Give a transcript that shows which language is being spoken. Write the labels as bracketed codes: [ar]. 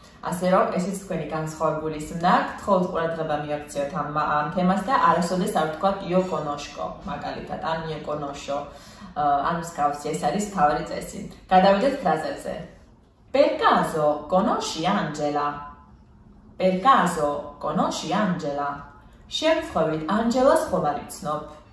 [ka] Ასე რომ ესეც თქვენი განსხვავებული სნაკ, თხოვთ ყურადღება მიაქციოთ ამ თემას და არასოდეს არ ვთქვათ იო კონოშკო, მაგალითად, ან იო კონოშო, ან მსგავსი, ეს არის მთავარი წესი. გადავიდეთ ფრაზებზე. [it] Per caso conosci Angela? Per caso conosci Angela? [ka] Შემთხვევით Angela-ს ხომ არ იცნობ?